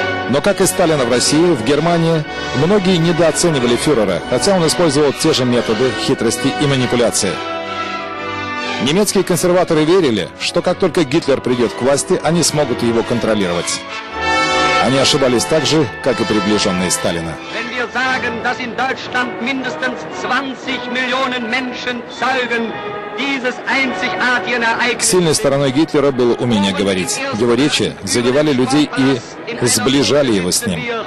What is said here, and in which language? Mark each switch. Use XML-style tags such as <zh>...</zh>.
<ru>Но как и Сталина в России, в Германии многие недооценивали фюрера, хотя он использовал те же методы хитрости и манипуляции. Немецкие консерваторы верили, что как только Гитлер придет к власти, они смогут его контролировать. Они ошибались так же, как и приближенные Сталина.</ru> <de>Sagen, dass in Deutschland mindestens 20 Millionen Menschen zeugen dieses einzigartigen Ereignisses.</de> <ru>Сильной стороной Гитлера было умение говорить. Его речи задевали людей и сближали его с ним.</ru>